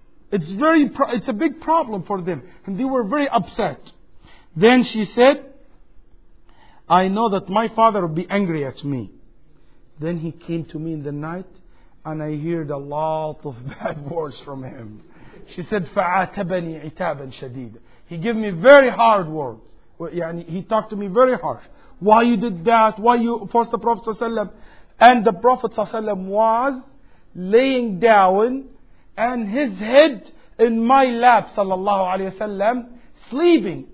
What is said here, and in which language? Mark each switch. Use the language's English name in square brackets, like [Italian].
[English] It's a big problem for them. And they were very upset. Then she said, I know that my father will be angry at me. Then he came to me in the night, and I heard a lot of bad words from him. She said, [Arabic] فَعَاتَبَنِي عِتَابًا شَدِيدًا. [English] He gave me very hard words. He talked to me very harsh. Why you did that? Why you forced the Prophet ﷺ? And the Prophet ﷺ was laying down and his head in my lap, sallallahu alayhi wasallam, sleeping.